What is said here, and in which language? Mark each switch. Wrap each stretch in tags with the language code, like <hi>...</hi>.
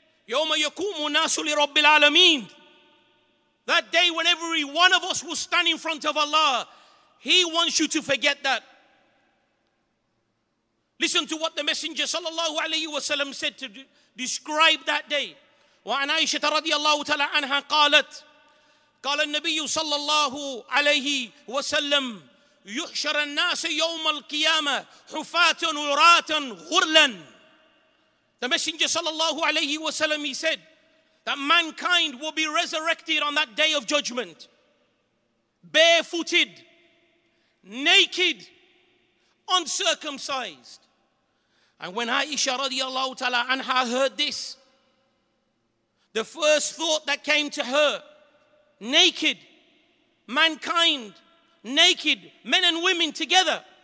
<ar>يَوْمَ يَكُومُ النَّاسُ لِرَبِّ الْعَالَمِينَ.</ar> <en>That day when every one of us will stand in front of Allah. He wants you to forget that. Listen to what the Messenger sallallahu alayhi wa sallam said to describe that day.</en> <ar>وعن عائشة رضي الله تعالى عنها قالت قال النبي صلى الله عليه وسلم يحشر الناس يوم القيامة حفاة عراة غرلا.</ar> <en>The Messenger sallallahu alayhi wa sallam, he said that mankind will be resurrected on that day of judgment barefooted, naked, uncircumcised. And when Aisha radiallahu ta'ala anha heard this, the first thought that came to her, naked, mankind, naked, men and women together.</en>